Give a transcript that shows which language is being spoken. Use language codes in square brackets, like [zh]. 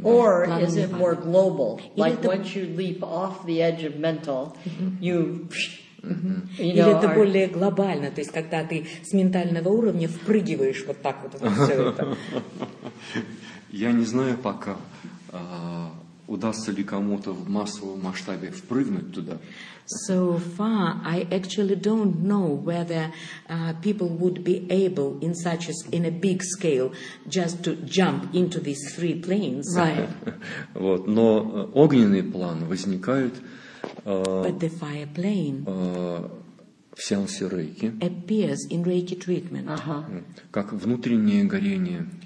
[en] Or is it more global? Like once you leap off the edge of mental, you... [ru] Или know, это более глобально, то есть когда ты с ментального уровня впрыгиваешь вот так вот в все это? Я не знаю пока... Удастся ли кому-то в массовом масштабе впрыгнуть туда? [en] So far, I actually don't know whether people would be able in such as in a big scale just to jump into these three planes. Right. [ru] Вот. Но огненный план возникает [en] But the fire plane [ru] в сеансе рейки [en] appears in Reiki treatment. [ru] Как внутреннее горение.